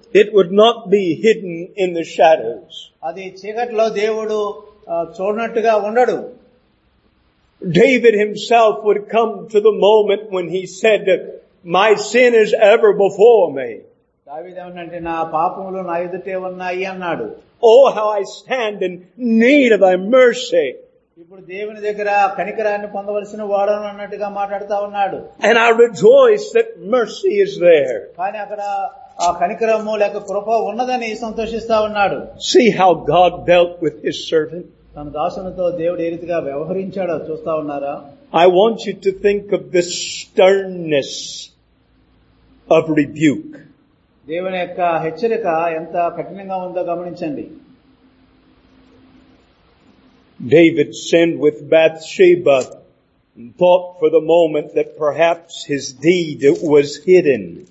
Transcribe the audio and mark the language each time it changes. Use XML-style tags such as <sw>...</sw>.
<en>It would not be hidden in the shadows.</en> <te>అది చీకట్లో దేవుడు చూడనట్టుగా ఉండడు.</te> <en>David himself would come to the moment when he said, "My sin is ever before me."</en> <te>దావీదేమంటే నా పాపములు నా ఎదుటే ఉన్నాయి అన్నాడు.</te> <en>Oh, how I stand in need of thy mercy.</en> <te>ఇప్పుడు దేవుని దగ్గర కనికరాన్ని పొందవలసిన వాడను అన్నట్టుగా మాట్లాడుతూ ఉన్నాడు.</te> <en>And I rejoice that mercy is there.</en> <te>కానీ అక్కడ ఆ కనికరము లేక కృప ఉన్నదని సంతోషిస్తా ఉన్నాడు.</te> <en>See how God dealt with his servant.</en> <te>తన దాసునితో దేవుడు ఏ రీతిగా వ్యవహరించాడో చూస్తా ఉన్నారా?</te> <en>I want you to think of the sternness of rebuke.</en> <te>దేవుని యొక్క హెచ్చరిక ఎంత కఠినంగా ఉందో గమనించండి.</te> <en>David sinned with Bathsheba and thought for the moment that perhaps his deed was hidden.</en>